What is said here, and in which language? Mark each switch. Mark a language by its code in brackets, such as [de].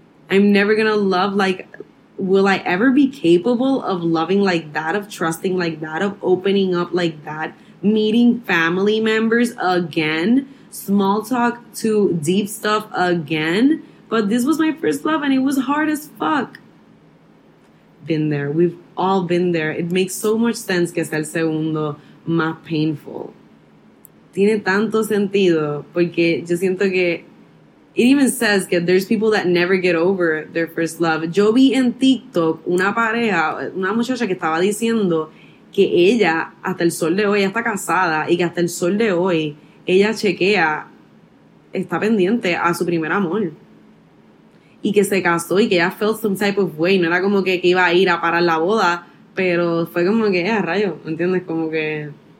[en] I'm never going to love, like, will I ever be capable of loving like that, of trusting like that, of opening up like that, meeting family members again, small talk to deep stuff again? But this was my first love and it was hard as fuck. Been there. We've all been there. It makes so much sense [es] que sea el segundo más [en] painful. [es] Tiene tanto sentido porque yo siento que [en] it even says que there's people that never get over their first love. [es] Yo vi en TikTok una pareja, una muchacha que estaba diciendo que ella hasta el sol de hoy está casada y que hasta el sol de hoy ella chequea, está pendiente a su primer amor. Y que se casó y que ya [en] felt some type of way. [es] No era como que iba a ir a parar la boda, pero fue como que, rayo, ¿me entiendes? Como que...